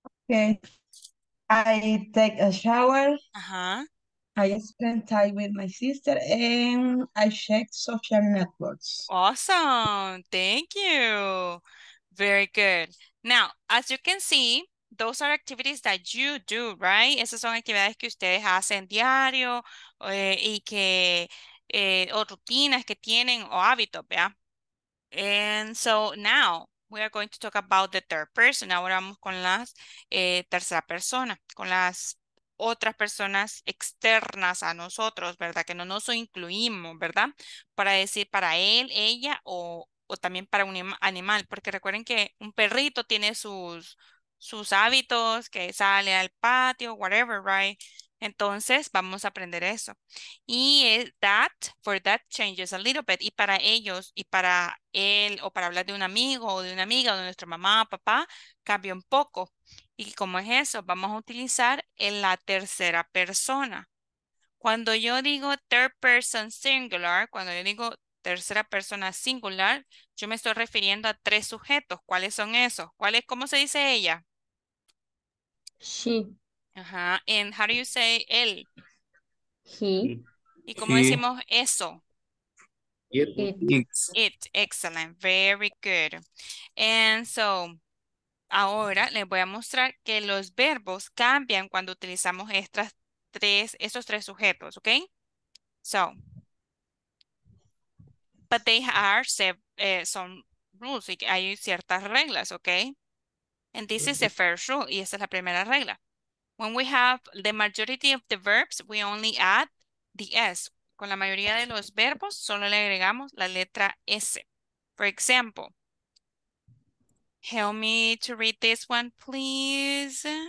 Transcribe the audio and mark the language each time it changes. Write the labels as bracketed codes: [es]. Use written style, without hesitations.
[en] Okay, I take a shower. Uh-huh. I spend time with my sister and I check social networks. Awesome, thank you. Very good. Now, as you can see, those are activities that you do, right? [es] Esas son actividades que ustedes hacen diario o rutinas que tienen o hábitos, ¿verdad? [en] And so now, we are going to talk about the third person. [es] Ahora vamos con las tercera persona, con las otras personas externas a nosotros, ¿verdad? Que no nos incluimos, ¿verdad? Para decir para él, ella o o también para un animal, porque recuerden que un perrito tiene sus hábitos, que sale al patio, [en] whatever, right? [es] Entonces, vamos a aprender eso. [en] Y that, for that changes a little bit. [es] Y para ellos, y para él, o para hablar de un amigo, o de una amiga, o de nuestra mamá, papá, cambia un poco. ¿Y cómo es eso? Vamos a utilizar en la tercera persona. Cuando yo digo [en] third person singular, [es] cuando yo digo tercera persona singular, yo me estoy refiriendo a tres sujetos. ¿Cuáles son esos? ¿Cuáles? ¿Cómo se dice ella? [en] She. Ajá. And how do you say él? He. [es] ¿Y cómo he. Decimos eso? [en] It. Excellent. Very good. And so, [es] ahora les voy a mostrar que los verbos cambian cuando utilizamos estos tres sujetos, ¿ok? [en] So, but they are some rules, [es] y hay ciertas reglas, [en] ¿ok? And this is the first rule, [es] y esa es la primera regla. [en] When we have the majority of the verbs, we only add the S. [es] Con la mayoría de los verbos, solo le agregamos la letra S. [en] For example, help me to read this one, please.